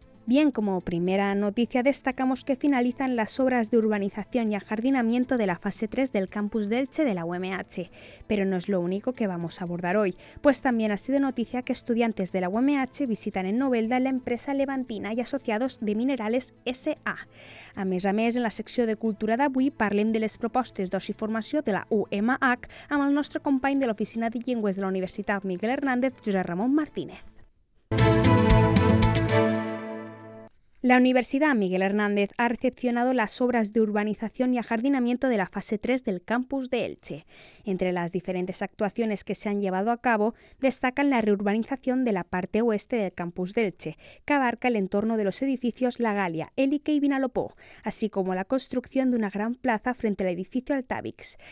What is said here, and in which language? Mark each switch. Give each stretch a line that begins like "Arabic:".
Spanish: Bien, como primera noticia destacamos que finalizan las obras de urbanización y ajardinamiento de la fase 3 del campus de Elche de la UMH. Pero no es lo único que vamos a abordar hoy, pues también ha sido noticia que estudiantes de la UMH visitan en Novelda la empresa Levantina y Asociados de Minerales S.A.
Catalan: A més, en la secció de Cultura d'avui parlem de les propostes d'oci i formació de la UMH amb el nostre company de l'Oficina de Llengües de la Universitat Miguel Hernández, Josep Ramon Martínez.
Spanish: La Universidad Miguel Hernández ha recepcionado las obras de urbanización y ajardinamiento de la fase 3 del campus de Elche. Entre las diferentes actuaciones que se han llevado a cabo, destacan la reurbanización de la parte oeste del campus de Elche, que abarca el entorno de los edificios La Galia, Élique y Vinalopó, así como la construcción de una gran plaza frente al edificio Altavix.